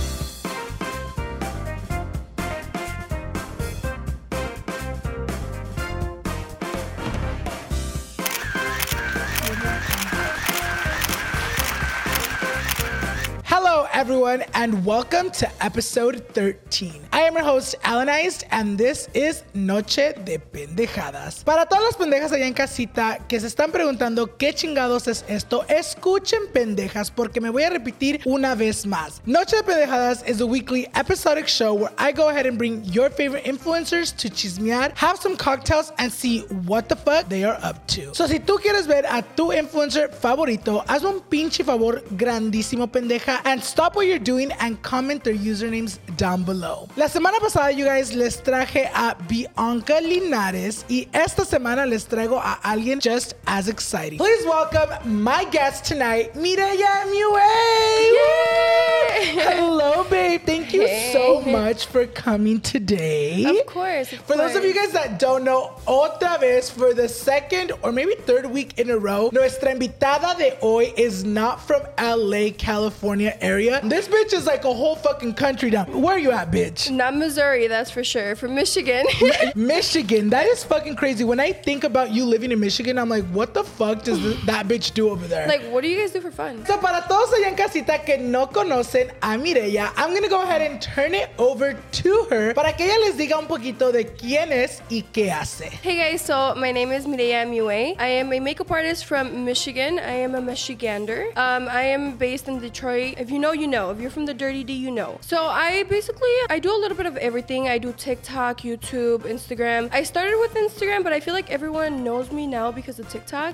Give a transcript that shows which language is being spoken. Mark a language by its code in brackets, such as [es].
[en] Hello, everyone, and welcome to episode 13. I am your host, Alanized, and this is Noche de Pendejadas. [es] Para todas las pendejas allá en casita que se están preguntando qué chingados es esto, escuchen pendejas porque me voy a repetir una vez más. [en] Noche de Pendejadas is a weekly episodic show where I go ahead and bring your favorite influencers to chismear, have some cocktails, and see what the fuck they are up to. [es] So si tú quieres ver a tu influencer favorito, hazme un pinche favor grandísimo, pendeja, [en] and stop what you're doing and comment their usernames down below. [es] La semana pasada, [en] you guys, [es] les traje a Bianca Linares y esta semana les traigo a alguien [en] just as exciting. Please welcome my guest tonight, Mireya Mua! Hello, babe. Thank you so much for coming today. Of course. Those of you guys that don't know, [es] otra vez, [en] for the second or maybe third week in a row, [es] nuestra invitada de hoy [en] is not from LA, California area. This bitch is like a whole fucking country down. Where are you at, bitch? Not Missouri, that's for sure. From Michigan. Michigan, that is fucking crazy. When I think about you living in Michigan, I'm like, what the fuck does that bitch do over there? Like, what do you guys do for fun? [es] So para todos allá en casita que no conocen a Mireya, [en] I'm gonna go ahead and turn it over to her [es] para que ella les diga un poquito de quién es y qué hace. [en] Hey guys, so my name is Mireya Mua. I am a makeup artist from Michigan. I am a Michigander. I am based in Detroit. If you know, you know. If you're from the dirty D, you know. So I do a little bit of everything. I do TikTok, YouTube, Instagram. I started with Instagram, but I feel like everyone knows me now because of TikTok.